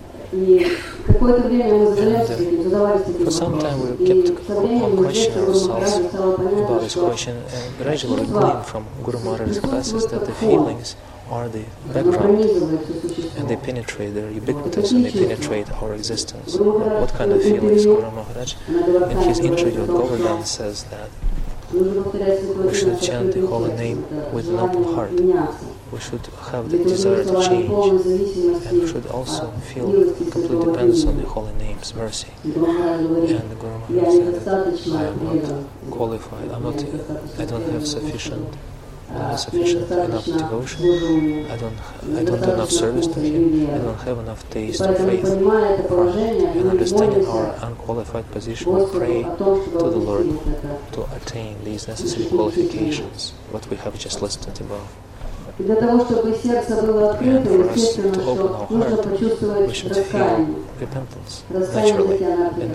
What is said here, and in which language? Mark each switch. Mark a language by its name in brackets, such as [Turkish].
[Russian] И какое-то время мы задавались этим вопросом, и со временем мы решили [English] ourselves about this question, and gradually gleaned from Guru Maharaj's classes that the feelings are the background, and they penetrate, they're ubiquitous, and they penetrate our existence. And what kind of feelings? Guru Maharaj, in his interview with Govardhan, says that we should chant the holy name with an open heart. We should have the desire to change, and we should also feel complete dependence on the holy name's mercy. And the Guru Maharaj said that I am not qualified, I don't have enough devotion, I don't do enough service to him, I don't have enough taste of faith. And understanding our unqualified position, we pray to the Lord to attain these necessary qualifications, what we have just listed above. [Russian] И для того, чтобы сердце было открыто, естественно, что нужно почувствовать раскаяние.